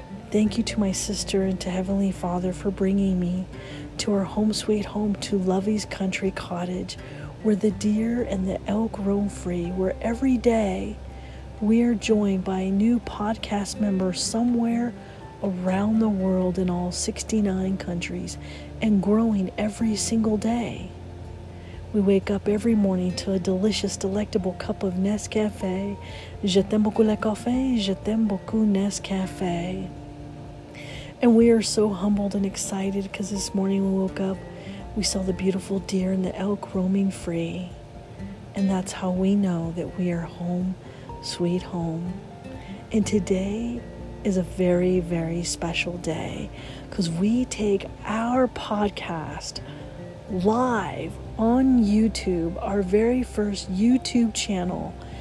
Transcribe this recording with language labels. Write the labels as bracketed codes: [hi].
[en] Thank you to my sister and to Heavenly Father for bringing me to our home sweet home, to Lovey's Country Cottage, where the deer and the elk roam free, where every day we are joined by a new podcast member somewhere around the world in all 69 countries and growing every single day. We wake up every morning to a delicious, delectable cup of Nescafe. [fr] Je t'aime beaucoup le café, je t'aime beaucoup Nescafe. [en] And we are so humbled and excited because this morning we woke up, we saw the beautiful deer and the elk roaming free. And that's how we know that we are home sweet home. And today is a very, very special day because we take our podcast live on YouTube, our very first YouTube channel.